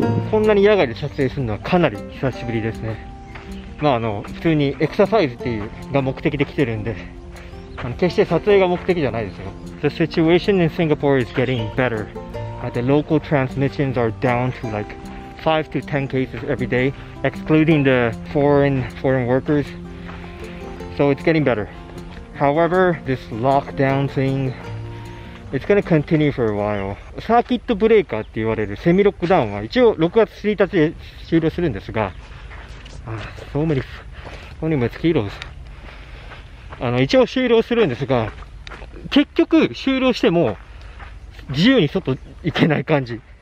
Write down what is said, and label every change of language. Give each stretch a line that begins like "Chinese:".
Japanese: こんなに野外で撮影するのはかなり久しぶりですね。まああの普通にエクササイズっていうが目的で来てるんで、あの決して撮影が目的じゃないですよ。
English: The situation in Singapore is getting better. The local transmissions are down to like 5 to 10 cases every day, excluding the foreign workers. So it's getting better. However, this lockdown thing, it's gonna continue for a while.
Japanese: サーキットブレーカーって言われるセミロックダウンは一応6月1日で終了するんですが、そうめにもつきいろです。あの、一応終了するんですが、結局終了しても自由に外行けない感じ。